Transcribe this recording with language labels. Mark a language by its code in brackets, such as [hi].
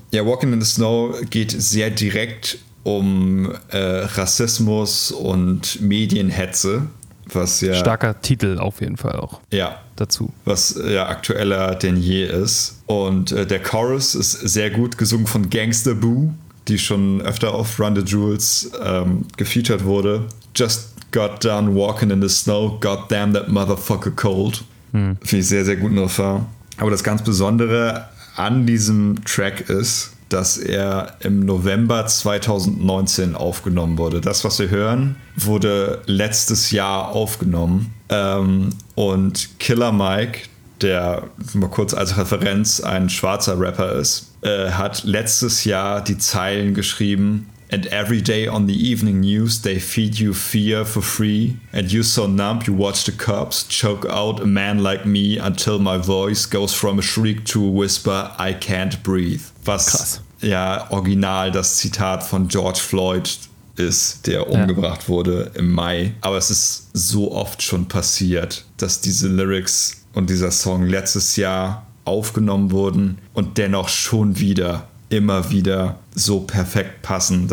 [de] Ja, Walking in the Snow geht sehr direkt um Rassismus und Medienhetze. Was ja, starker Titel auf jeden Fall auch. Ja. Dazu. Was ja aktueller denn je ist. Und der Chorus ist sehr gut gesungen von Gangsta Boo, die schon öfter auf Run the Jewels gefeatured wurde. [en] Just got done walking in the snow. God damn that motherfucker cold. [de] Finde ich sehr, sehr gut noch Refrain. Aber das ganz Besondere an diesem Track ist, dass er im November 2019 aufgenommen wurde. Das, was wir hören, wurde letztes Jahr aufgenommen. Und Killer Mike, der mal kurz als Referenz ein schwarzer Rapper ist, hat letztes Jahr die Zeilen geschrieben. [en] And every day on the evening news, they feed you fear for free. And you're so numb, you watch the cops choke out a man like me until my voice goes from a shriek to a whisper, I can't breathe. [de] Was krass. Ja, original das Zitat von George Floyd ist, der umgebracht wurde im Mai. Aber es ist so oft schon passiert, dass diese Lyrics und dieser Song letztes Jahr aufgenommen wurden und dennoch schon wieder, immer wieder so perfekt passen.